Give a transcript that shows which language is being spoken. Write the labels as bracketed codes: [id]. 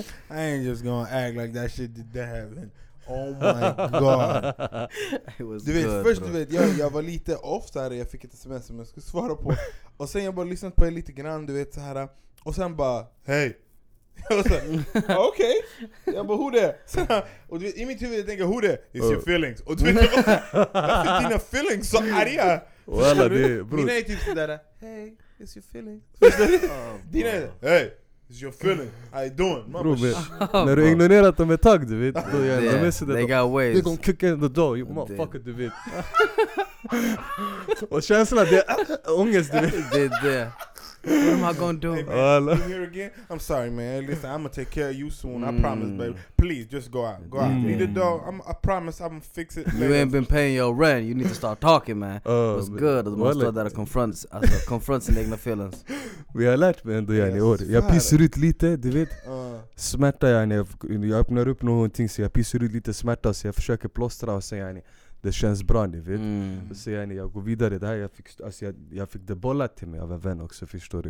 [en] I ain't just gonna act like that shit did that happen. Oh my god. [sv] Du vet, först du vet, jag var lite off såhär, jag fick ett sms som jag skulle svara på. Och sen jag bara lyssnat på er lite grann, du vet, så här. Och sen bara, hej. Okej. Okay. Jag bara, [en] who there? [sv] Så, och du vet, i mitt huvud jag tänker, [en] who there? It's your feelings. [sv] Och du vet, varför dina feelings så arga? Voilà, det, bro. Mina är typ sådär, [en] hey, it's your feelings. [sv] Dina är, [en] hey. It's your feeling. How you doing? [sv] Bro, man, när du ignorerar dem ett tag, du vet. Då, ja, yeah, de [en] they got ways. They gonna kick in the door, you motherfucker, [sv] du vet. Och känslan, det är ångest, du vet. Det är det. [en] What am I gonna do? Hey, man, you here again? I'm sorry, man. Listen, I'm gonna take care of you soon. I promise, baby. Please, just go out. Go out. Mm. Need a dog? I promise I'm gonna fix it. You ain't been paying your rent. You need to start talking, man. What's good? It's most of that are confronts. Confronts and ignorant feelings. [sv] Vi har lärt mig ändå, yani, år. Jag pissar ut lite, du vet. Smärta, yani. Jag öppnar upp någonting så jag pissar ut lite smärta. Så jag försöker plåstra och säga, yani, det känns bra, ni vet. Mm. Så yani, jag går vidare. Det här, jag fick det bollat till mig av en vän också, förstår du.